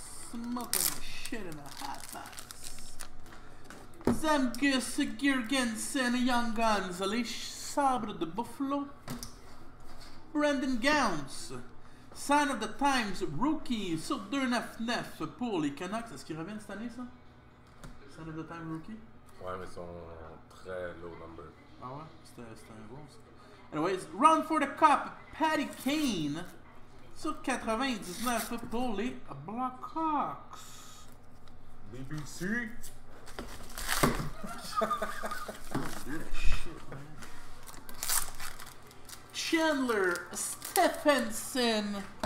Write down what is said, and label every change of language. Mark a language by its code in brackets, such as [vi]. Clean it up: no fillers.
[en] Smoking shit in a hot box. Zemgus Girgensen, Young Guns, Alish Sabre de Buffalo. [fr] Brandon Gowns, Sign of the Times, Rookie, sur 299 pour les Canucks. Est-ce qu'ils reviennent cette année, ça? Sign of the Times, Rookie? Ouais, mais ils sont très [en] low number. [fr] Ah ouais? C'était un gros. [en] Anyways, Run for the Cup, Patty Kane. [fr] Sur 99 pour les Blackhawks. [en] BBC. Chandler Stephenson.